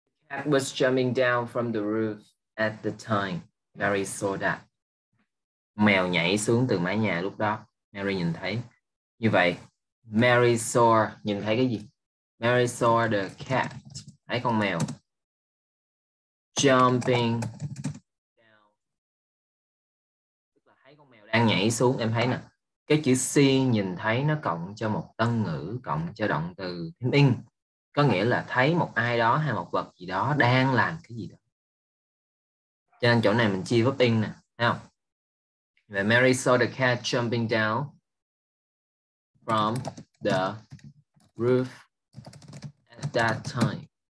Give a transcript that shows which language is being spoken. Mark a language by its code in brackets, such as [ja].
[en] Cat was jumping down from the roof at the time. Mary saw that. [vi] Mèo nhảy xuống từ mái nhà lúc đó. Mary nhìn thấy. Như vậy, [en] Mary saw, [vi] nhìn thấy cái gì? [en] Mary saw the cat. [vi] Thấy con mèo. [en] Jumping down. [vi] Tức là thấy con mèo đang nhảy xuống. Em thấy nè. Cái chữ see, nhìn thấy, nó cộng cho một tân ngữ, cộng cho động từ thêm in. có nghĩa là thấy một ai đó hay một vật gì đó đang làm cái gì đó. Cho nên chỗ này mình chia verb in nè, thấy không? Và [en] Mary saw the cat jumping down from the roof at that time.